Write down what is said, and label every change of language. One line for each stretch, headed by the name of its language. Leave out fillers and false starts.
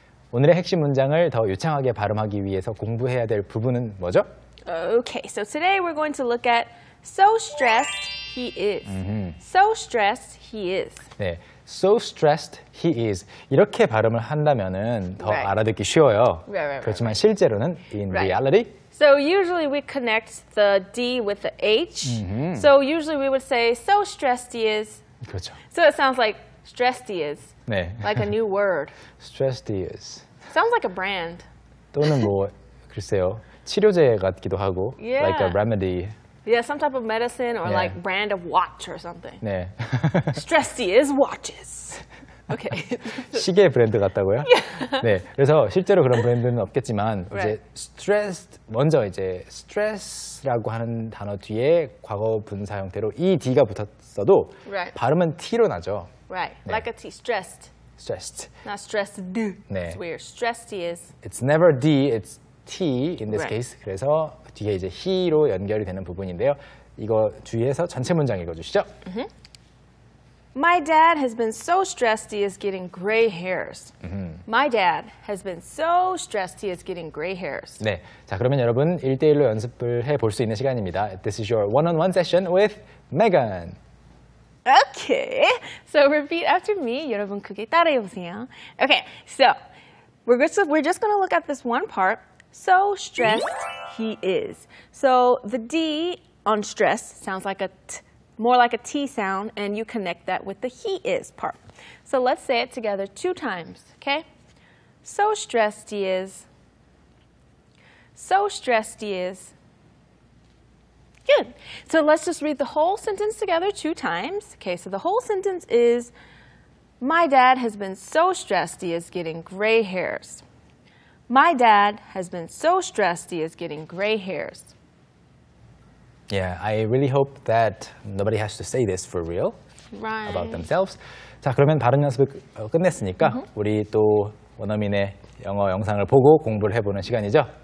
Korean: 오늘의 핵심 문장을 더 유창하게 발음하기 위해서 공부해야 될 부분은 뭐죠?
English: Okay, so today we're going to look at so stressed he is. So stressed he is. 네, so stressed he is.
Korean: 이렇게 발음을 한다면은 더
English: right.
Korean: 알아듣기 쉬워요.
English: Right, right,
Korean: 그렇지만
English: right.
Korean: 실제로는
English: in right. reality. So usually we connect the D with the H. So usually we would say so stressed he is.
Korean: 그렇죠.
English: So it sounds like stressed he is.
Korean: 네.
English: Like a new word. Stressed is. Sounds like a brand.
Korean: 또는 뭐, 글쎄요, 치료제 같기도 하고.
English: Yeah. Like a remedy. Yeah, some type of medicine or yeah. like brand of watch or something.
Korean: 네.
English: Stressed is watches. Okay.
Korean: 시계 브랜드 같다고요?
English: Yeah.
Korean: 네. 그래서 실제로 그런 브랜드는 없겠지만
English: right.
Korean: 이제 stressed 먼저 이제 stress라고 하는 단어 뒤에 과거 분사 형태로 ed가 붙었어도
English: right.
Korean: 발음은 t로 나죠.
English: Right, 네. like a T, stressed. Stressed. Not stressed, D.
Korean: 네.
English: It's weird. Stressed he is. It's never D, it's T in this right. case.
Korean: 그래서 뒤에 이제 he로 연결이 되는 부분인데요. 이거 주의해서 전체 문장 읽어주시죠.
English: My dad has been so stressed he is getting gray hairs. Mm-hmm. My dad has been so stressed he is getting gray hairs.
Korean: 네, 자 그러면 여러분 1대1로 연습을 해볼 수 있는 시간입니다.
English: This is your one-on-one session with Megan. Okay, so repeat after me.
Korean: 여러분 크게 따라해보세요.
English: Okay, so we're just going to look at this one part. So stressed he is. So the D on stress sounds like a T. More like a T sound, and you connect that with the he is part. So let's say it together two times, okay? So stressed he is. So stressed he is. Good. So let's just read the whole sentence together two times. Okay, so the whole sentence is, My dad has been so stressed he is getting gray hairs. My dad has been so stressed he is getting gray hairs. Yeah, I really hope that nobody has to say this for real right. about themselves.
Korean: 자, 그러면 발음 연습을 끝냈으니까 mm-hmm. 우리 또 원어민의 영어 영상을 보고 공부를 해보는 시간이죠.